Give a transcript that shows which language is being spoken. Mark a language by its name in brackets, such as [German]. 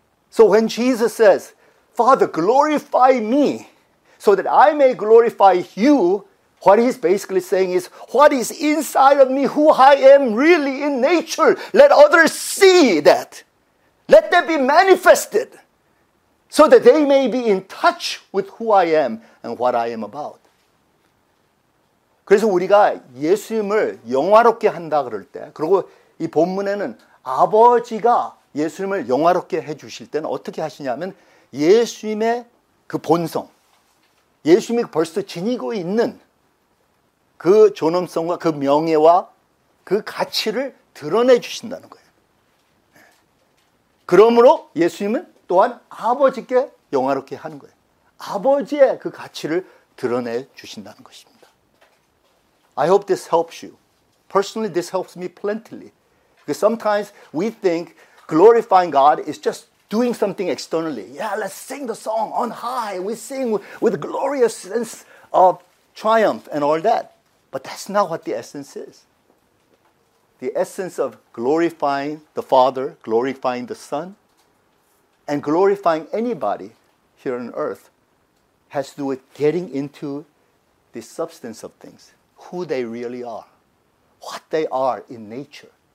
[English] So when Jesus says, Father, glorify me so that I may glorify you, what he's basically saying is, what is inside of me, who I am really in nature, let others see that. Let that be manifested. So that they may be in touch with who I am and what I am about. [Korean] 그래서 우리가 예수님을 영화롭게 한다 그럴 때 그리고 이 본문에는 아버지가 예수님을 영화롭게 해주실 때는 어떻게 하시냐면 예수님의 그 본성, 예수님이 벌써 지니고 있는 그 존엄성과 그 명예와 그 가치를 드러내 주신다는 거예요. 그러므로 예수님은 또한 아버지께 영화롭게 하는 거예요. 아버지의 그 가치를 드러내 주신다는 것입니다. [English] I hope this helps you. Personally, this helps me plentily. Because sometimes we think glorifying God is just doing something externally. Yeah, let's sing the song on high. We sing with a glorious sense of triumph and all that. But that's not what the essence is. The essence of glorifying the Father, glorifying the Son, and glorifying anybody here on earth has to do with getting into the substance of things, who they really are, what they are in nature.